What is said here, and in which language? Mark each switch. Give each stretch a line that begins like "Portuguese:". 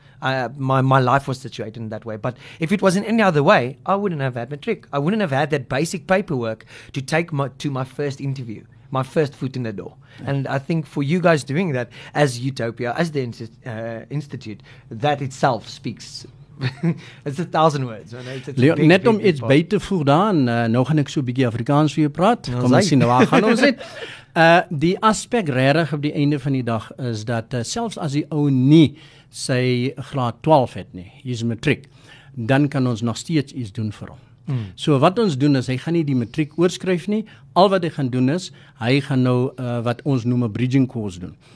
English: My life was situated in that way. But if it was in any other way, I wouldn't have had my trick. I wouldn't have had that basic paperwork to take to my first interview, my first foot in the door. Yeah. And I think for you guys doing that as Utopia, as the institute, that itself speaks. It's 1,000 words. Netom iets beter voordaan.
Afrikaans: Nou gaan ek so 'n bietjie Afrikaans vir jou praat. Kom ons sien waar gaan ons dit. Die aspek regtig op die einde van die dag is dat selfs as die ou nie sy graad 12 het nie, hy's matriek, dan kan ons nog steeds iets doen vir hom. So wat ons doen is, hy gaan nie die matriek oorskryf nie, al wat hy gaan doen is, hy gaan nou wat ons noem bridging course doen.